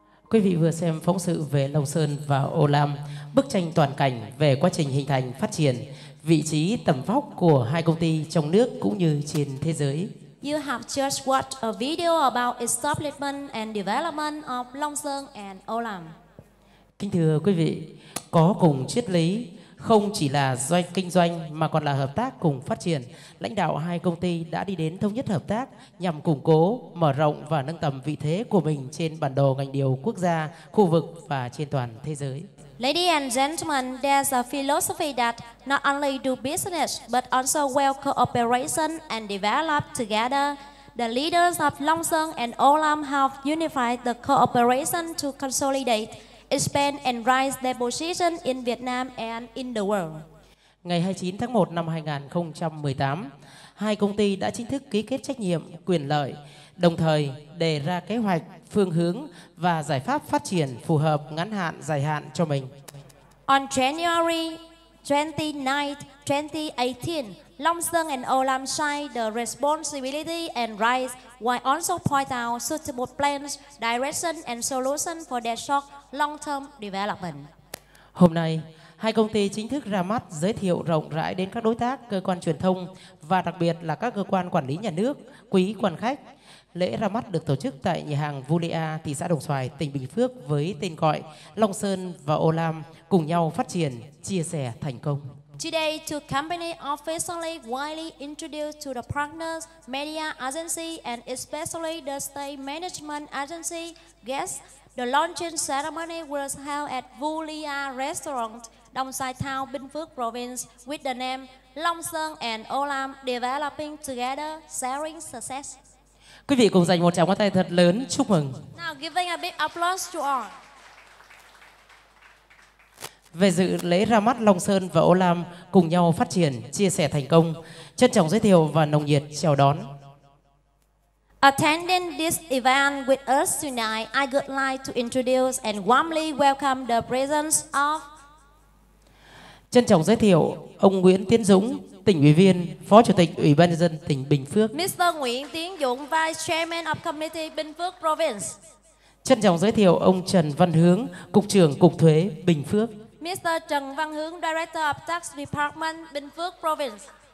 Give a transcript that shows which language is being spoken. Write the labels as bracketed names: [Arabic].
[Vietnamese] Quý vị vừa xem phóng sự về Long Sơn và Ô Lam, bức tranh toàn cảnh về quá trình hình thành, phát triển, vị trí tầm vóc của hai công ty trong nước cũng như trên thế giới. [English] You have just watched a video about establishment and development of Long Sơn and Olam. [Vietnamese] Kính thưa quý vị, có cùng triết lý, không chỉ là doanh kinh doanh mà còn là hợp tác cùng phát triển. Lãnh đạo hai công ty đã đi đến thống nhất hợp tác nhằm củng cố, mở rộng và nâng tầm vị thế của mình trên bản đồ ngành điều quốc gia, khu vực và trên toàn thế giới. [English] Ladies and gentlemen, there's a philosophy that not only do business but also well cooperation and develop together. The leaders of Long Sơn and Olam have unified the cooperation to consolidate, expand and rise their position in Vietnam and in the world. [Vietnamese] Ngày 29 tháng 1 năm 2018, hai công ty đã chính thức ký kết trách nhiệm, quyền lợi, đồng thời đề ra kế hoạch, phương hướng và giải pháp phát triển phù hợp ngắn hạn, dài hạn cho mình. [English] On January 29, 2018, Long Sơn and Olam signed the responsibility and rights while also point out suitable plans, direction and solution for their short long-term development. [Vietnamese] Hôm nay, Hai công ty chính thức ra mắt, giới thiệu rộng rãi đến các đối tác, cơ quan truyền thông và đặc biệt là các cơ quan quản lý nhà nước, quý quan khách. Lễ ra mắt được tổ chức tại nhà hàng Vulia, thị xã Đồng Xoài, tỉnh Bình Phước với tên gọi Long Sơn và Ô Lam cùng nhau phát triển, chia sẻ thành công. [English] Today, two companies officially widely introduced to the partners, media agency and especially the state management agency guests. The launching ceremony was held at Vulia Restaurant, Đồng Xoài Town, Bình Phước Province, with the name Long Sơn and Ô Lam Developing Together, Sharing Success. [Vietnamese] Quý vị cùng dành một tràng pháo tay thật lớn, chúc mừng. [English] Now giving a big applause to all. [Vietnamese] Về dự lễ ra mắt Long Sơn và Ô Lam cùng nhau phát triển, chia sẻ thành công, trân trọng giới thiệu và nồng nhiệt chào đón. [English] Attending this event with us tonight, I would like to introduce and warmly welcome the presence of. [Vietnamese] Trân trọng giới thiệu ông Nguyễn Tiến Dũng, tỉnh ủy viên, phó chủ tịch Ủy ban nhân dân tỉnh Bình Phước. [English] Mr. Nguyễn Tiến Dũng, Vice Chairman of Committee Bình Phước Province. [Vietnamese] Trân trọng giới thiệu ông Trần Văn Hướng, cục trưởng cục thuế Bình Phước. [English] Mr. Trần Văn Hướng, Director of Tax Department Bình Phước Province.